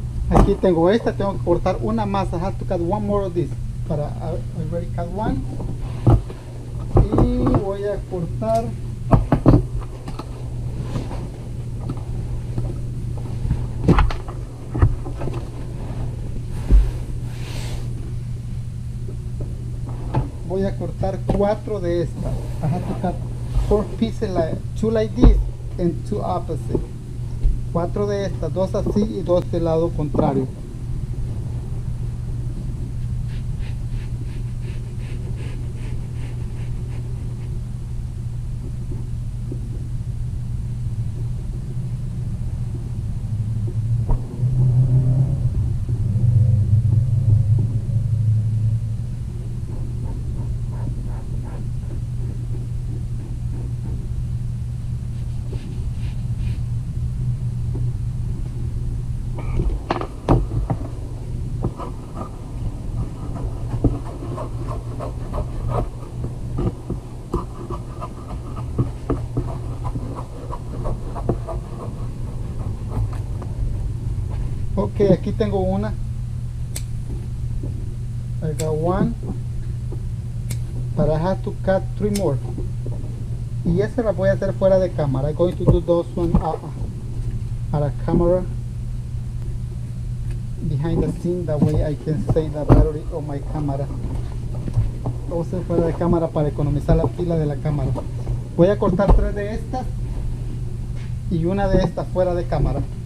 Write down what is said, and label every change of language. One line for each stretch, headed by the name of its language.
Spanish: Aquí tengo esta, tengo que cortar una más.
English: I have to cut one more of this. Para, I already cut one.
Spanish: Y voy a cortar. Voy a cortar cuatro de estas.
English: I have to cut four pieces like, two like this and two opposite.
Spanish: Cuatro de estas, dos así y dos del lado contrario. Ok, aquí tengo una.
English: I got one. But I have to cut three more.
Spanish: Y ese lo voy a hacer fuera de cámara.
English: I'm going to do those one at a camera behind the scene. That way I can save the battery on my camera.
Spanish: Lo voy a hacer fuera de cámara para economizar la pila de la cámara. Voy a cortar tres de estas y una de estas fuera de cámara.